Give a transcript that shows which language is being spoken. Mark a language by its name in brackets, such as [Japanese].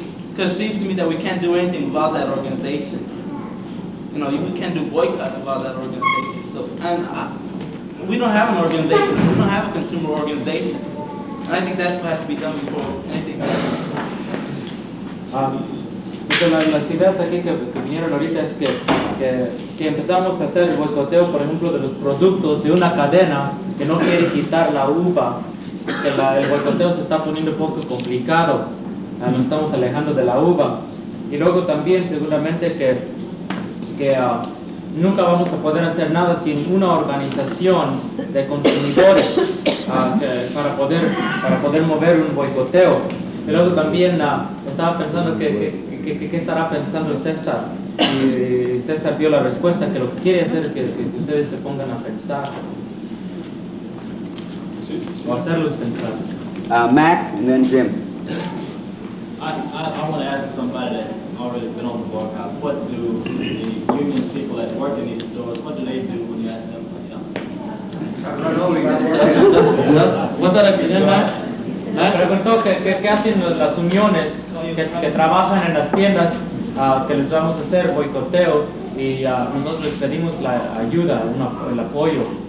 [English] Because it seems to me that we can't do anything without that organization. You know, we can't do boycotts without that organization. So, we don't have an organization. We don't have a consumer organization. And I think that's what has to be done before anything else. [Spanish] Las ideas aquí que vinieron ahorita es que si empezamos a hacer el boicoteo, por ejemplo, de los productos de una cadena que no quiere quitar la uva, que el boicoteo se está poniendo un poco complicado. Nos estamos alejando de la uva. Y luego también seguramente nunca vamos a poder hacer nada sin una organización de consumidores para poder mover un boicoteo. Y luego también estaba pensando que estará pensando César, y César vio la respuesta, que lo que quiere hacer es que ustedes se pongan a pensar, o hacerlos pensar. [English] Mac, and then Jim. I want to ask somebody that already been on the boycott, what do the union people that work in these stores, what do they do when you ask them for help? I don't know. What's that opinion, Mac? [Spanish] Preguntó qué hacen las uniones que trabajan en las tiendas, que les vamos a hacer boicoteo, y nosotros les pedimos la ayuda, el apoyo.